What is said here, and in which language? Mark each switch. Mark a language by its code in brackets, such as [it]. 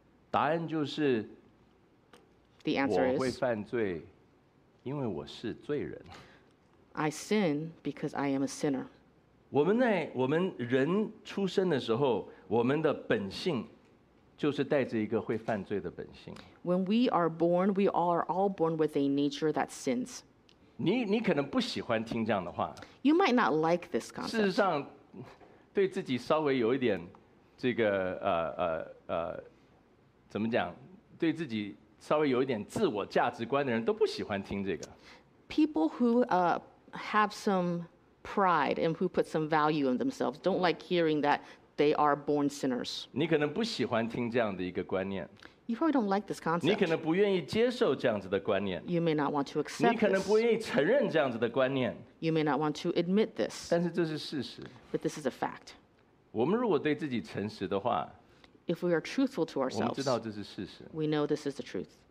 [zh] 答案就是， [en] The answer is, [zh] 我会犯罪，因为我是罪人。 [en] I sin because I am a sinner. [zh] 我们在我们人出生的时候，我们的本性就是带着一个会犯罪的本性。 [en] When we are born, we are all born with a nature that sins. [zh] 你可能不喜欢听这样的话。 [en] You might not like this concept. [zh] 事实上，对自己稍微有一点这个怎么讲？对自己稍微有一点自我价值观的人都不喜欢听这个。 [en] People who have some pride and who put some value in themselves don't like hearing that they are born sinners. [zh] 你可能不喜欢听这样的一个观念。 [en] You probably don't like this concept. [zh] 你可能不愿意接受这样子的观念。 [en] You may not want to accept this. [zh] 你可能不愿意承认这样子的观念。 [en] You may not want to admit this. [zh] 但是这是事实。 [en] But this is a fact. [zh] 我们如果对自己诚实的话， [en] If we are truthful to ourselves, [zh] 我们知道这是事实。 [en] We know this is the truth.